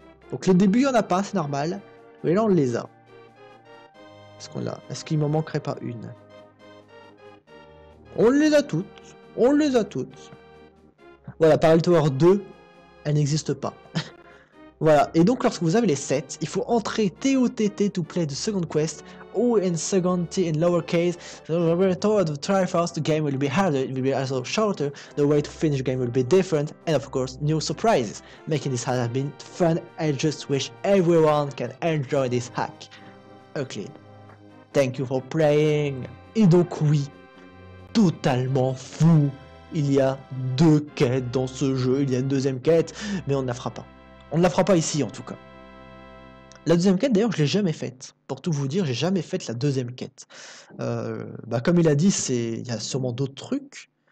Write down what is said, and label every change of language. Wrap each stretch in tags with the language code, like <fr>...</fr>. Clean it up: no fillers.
<fr>Donc les débuts, il n'y en a pas, c'est normal. Mais là, on les a. Est-ce qu'on l'a? Est-ce qu'il m'en manquerait pas une? On les a toutes. On les a toutes. Voilà, Parallel Tower 2, elle n'existe pas. Voilà, et donc lorsque vous avez les 7, il faut entrer TOTT</fr> <en>to play the second quest. O in second T in lowercase. So we're told the try first, the game will be harder, it will be also shorter, the way to finish the game will be different, and of course, new surprises. Making this hack has been fun, I just wish everyone can enjoy this hack. Euclid. Thank you for playing.</en> <fr>Et donc oui, totalement fou, il y a deux quêtes dans ce jeu, il y a une deuxième quête, mais on ne la fera pas. On ne la fera pas ici en tout cas. La deuxième quête, d'ailleurs, je l'ai jamais faite. Pour tout vous dire, j'ai jamais fait la deuxième quête. Bah, comme il a dit, il y a sûrement d'autres trucs.</fr>